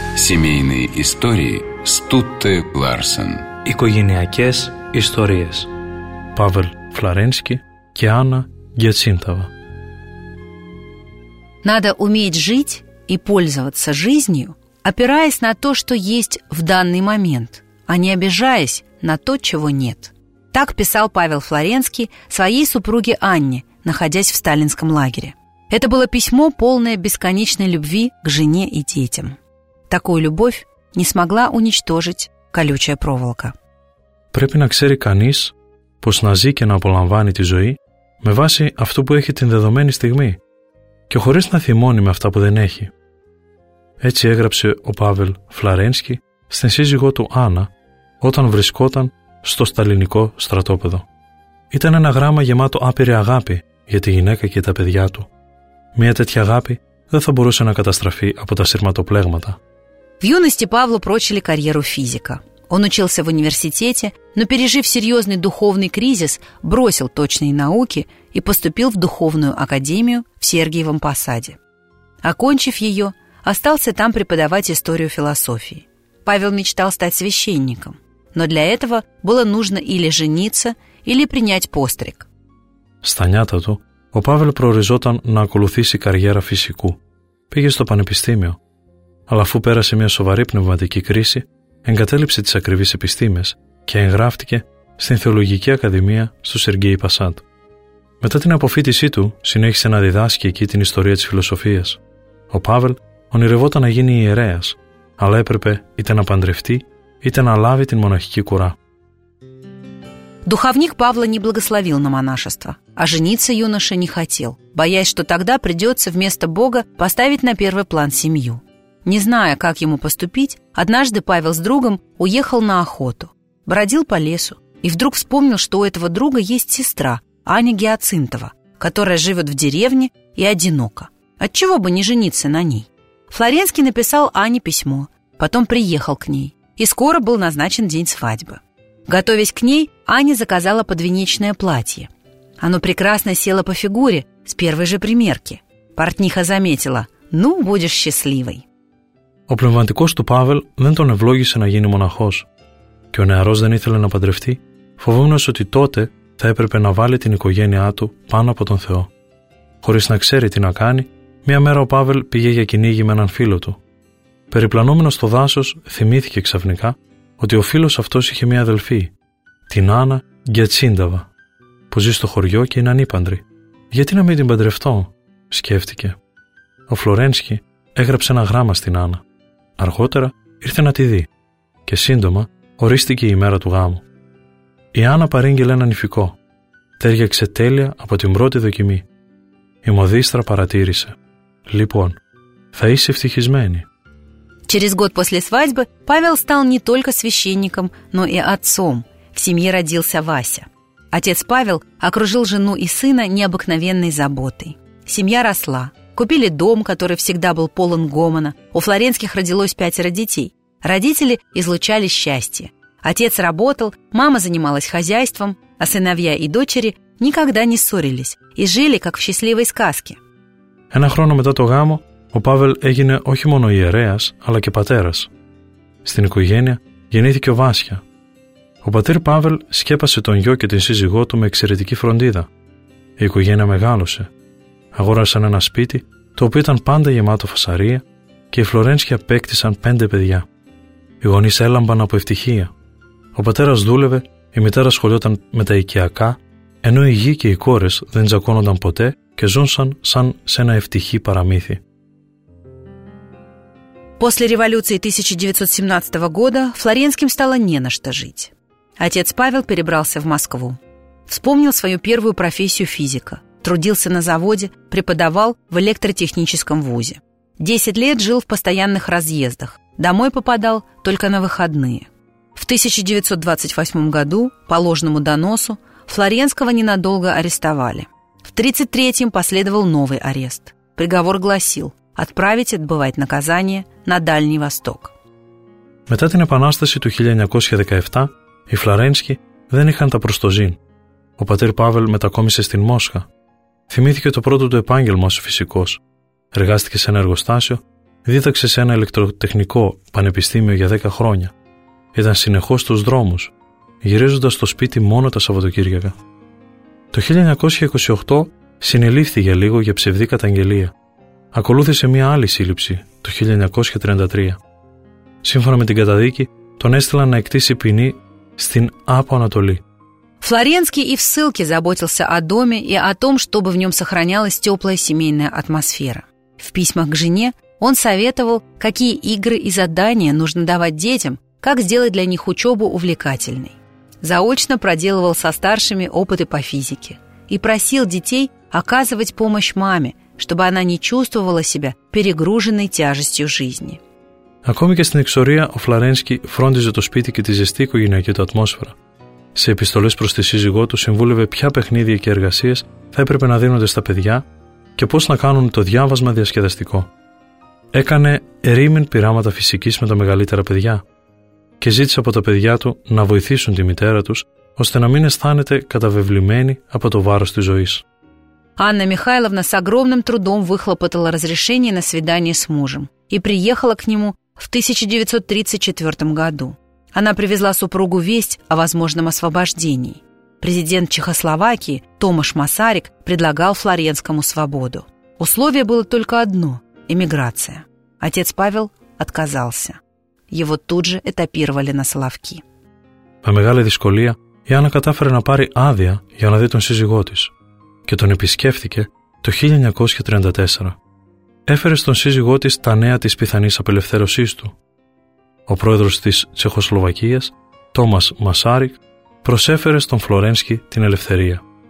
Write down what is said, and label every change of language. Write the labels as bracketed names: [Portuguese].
[Russian] Семейные истории Стутте Ларсен. [Greek] Οικογενειακές ιστορίες. Παύλ Φλαρένσκι και Άννα Γιατσίνταβα. [Russian] Надо уметь жить и пользоваться жизнью, опираясь на то, что есть в данный момент, а не обижаясь на то, чего нет. Так писал Павел Флоренский своей супруге Анне, находясь в сталинском лагере. Это было письмо, полное бесконечной любви к жене и детям. Такую любовь не смогла уничтожить колючая проволока. [Greek] Πρέπει να ξέρει κανείς πως να ζει και να απολαμβάνει τη ζωή με βάση αυτό που έχει την δεδομένη στιγμή και χωρίς να θυμώνει με αυτά που δεν έχει. Έτσι έγραψε ο Παύλ Φλαρένσκι στην σύζυγό του Άννα όταν βρισκόταν στο σταλινικό στρατόπεδο. Ήταν ένα γράμμα γεμάτο άπειρη αγάπη για τη γυναίκα και τα παιδιά του. Μια τέτοια αγάπη δεν θα μπορούσε να καταστραφεί από τα σειρματοπλέγματα. [Russian] В юности Павлу прочили карьеру физика. Он учился в университете, но пережив серьезный духовный кризис, бросил точные науки и поступил в духовную академию в Сергиевом Посаде. Окончив ее, остался там преподавать историю философии. Павел мечтал стать священником, но для этого было нужно или жениться, или принять постриг. [Greek] Στα νιάτα του, ο Павел προοριζόταν να ακολουθήσει καριέρα φυσικού. Πήγε στο πανεπιστήμιο. Αλλά αφού πέρασε μια σοβαρή πνευματική κρίση, εγκατέλειψε τις ακριβείς επιστήμες και εγγράφτηκε στην Θεολογική Ακαδημία στο Σεργέι Πασάτ. Μετά την αποφύτισή του, συνέχισε να διδάσκει εκεί την ιστορία της φιλοσοφίας. Ο Πάβελ ονειρευόταν να γίνει ιερέας, αλλά έπρεπε είτε να παντρευτεί είτε να λάβει την μοναχική κουρά. [Russian] Духовник Павла не благословил на монашество, а жениться юноша не хотел, боясь, что тогда придется вместо Бога поставить на первый план семью. Не зная, как ему поступить, однажды Павел с другом уехал на охоту. Бродил по лесу и вдруг вспомнил, что у этого друга есть сестра, Аня Гиацинтова, которая живет в деревне и одинока. Отчего бы не жениться на ней? Флоренский написал Ане письмо, потом приехал к ней, и скоро был назначен день свадьбы. Готовясь к ней, Аня заказала подвенечное платье. Оно прекрасно село по фигуре с первой же примерки. Портниха заметила: «Ну, будешь счастливой». [Greek] Ο πνευματικός του Πάβελ δεν τον ευλόγησε να γίνει μοναχός. Και ο νεαρός δεν ήθελε να παντρευτεί, φοβούμενος ότι τότε θα έπρεπε να βάλει την οικογένειά του πάνω από τον Θεό. Χωρίς να ξέρει τι να κάνει, μια μέρα ο Πάβελ πήγε για κυνήγι με έναν φίλο του. Περιπλανόμενος στο δάσος, θυμήθηκε ξαφνικά ότι ο φίλος αυτός είχε μια αδελφή, την Άννα Γκιατσίνταβα, που ζει στο χωριό και είναι ανήπαντρη. «Γιατί να μην την παντρευτώ?» σκέφτηκε. Ο Φλορένσκι έγραψε ένα γράμμα στην Άννα. Αργότερα ήρθε να τη δει και σύντομα ορίστηκε η μέρα του γάμου. Η Άννα παρήγγειλε ένα νηφικό. Τέριαξε τέλεια από την πρώτη δοκιμή. Η μοδίστρα παρατήρησε: «Λοιπόν, θα είσαι ευτυχισμένη». [Russian] Через год после свадьбы Павел стал не только священником, но и отцом. В семье родился Вася. Отец Павел окружил жену и сына необыкновенной заботой. Семья росла. Купили дом, который всегда был полон гомона. У флоренских родилось 5 детей. Родители излучали счастье. Отец работал, мама занималась хозяйством, а сыновья и дочери никогда не ссорились и жили, как в счастливой сказке. [Greek] Ένα χρόνο μετά το γάμο, ο Πάβελ έγινε όχι μόνο ιερέας, αλλά και πατέρας. Στην οικογένεια γεννήθηκε ο Βάσια. Ο πατήρ Πάβελ σκέπασε τον γιο και την σύζυγό του με εξαιρετική φροντίδα. Η οικογένεια μεγάλωσε. Αγόρασαν ένα σπίτι, το οποίο ήταν πάντα γεμάτο φασαρία, και οι Φλορένσκοι απέκτησαν 5 παιδιά. Οι γονείς έλαμπαν από ευτυχία. Ο πατέρας δούλευε, η μητέρα ασχολιόταν με τα οικιακά, ενώ οι γιοι και οι κόρες δεν τζακώνονταν ποτέ και ζούσαν σαν σε ένα ευτυχή παραμύθι. [Russian] После революции 1917 года флоренским стало не на что жить. Отец Павел перебрался в Москву. Вспомнил свою первую профессию физика. Трудился на заводе, преподавал в электротехническом вузе. 10 лет жил в постоянных разъездах. Домой попадал только на выходные. В 1928 году по ложному доносу флоренского ненадолго арестовали. В 1933 последовал новый арест. Приговор гласил: «Отправить отбывать наказание на Дальний Восток». [Greek] Μετά την επανάσταση του 1917, οι Φλαρένσκοι δεν είχαν τα προστοζήν. Ο πατήρ Πάβελ μετακόμισε στην Μόσχα. Θυμήθηκε το πρώτο του επάγγελμα ως φυσικός. Εργάστηκε σε ένα εργοστάσιο, δίδαξε σε ένα ηλεκτροτεχνικό πανεπιστήμιο για 10 χρόνια. Ήταν συνεχώς στους δρόμους, γυρίζοντας στο σπίτι μόνο τα Σαββατοκύριακα. Το 1928 συνελήφθη για λίγο για ψευδή καταγγελία. Ακολούθησε μια άλλη σύλληψη το 1933. Σύμφωνα με την καταδίκη, τον έστειλαν να εκτίσει ποινή στην Άπο Ανατολή. [Russian] Флоренский и в ссылке заботился о доме и о том, чтобы в нем сохранялась теплая семейная атмосфера. В письмах к жене он советовал, какие игры и задания нужно давать детям, как сделать для них учебу увлекательной. Заочно проделывал со старшими опыты по физике и просил детей оказывать помощь маме, чтобы она не чувствовала себя перегруженной тяжестью жизни. [Greek] Ακόμη και στην εξορία ο Φλαρένσκι φρόντιζε το σπίτι και τη ζεστή οικογενειακή του ατμόσφαιρα. Σε επιστολές προς τη σύζυγό του συμβούλευε ποια παιχνίδια και εργασίες θα έπρεπε να δίνονται στα παιδιά και πώς να κάνουν το διάβασμα διασκεδαστικό. Έκανε ερήμην πειράματα φυσικής με τα μεγαλύτερα παιδιά και ζήτησε από τα παιδιά του να βοηθήσουν τη μητέρα τους ώστε να μην αισθάνεται καταβεβλημένη από το βάρος της ζωής. [Russian] Άννα Μιχάηλοβνα с огромным трудом выхлопотала разрешение на свидание с мужем и приехала к нему в 1934 году. Она привезла супругу весть о возможном освобождении. Президент Чехословакии Томаш Масарик предлагал Флоренскому свободу. Условие было только одно – эмиграция. Отец Павел отказался. Его тут же этапировали на Соловки. [Greek] Με μεγάλη δυσκολία η Άννα κατάφερε να πάρει άδεια για να δει τον σύζυγό της και τον επισκέφθηκε το 1934. Έφερε στον σύζυγό της τα νέα της πιθανής απελευθέρωσής του. Ο πρόεδρος της Τσεχοσλοβακίας, Τόμας Μασάρικ, προσέφερε στον Φλορένσκι την ελευθερία.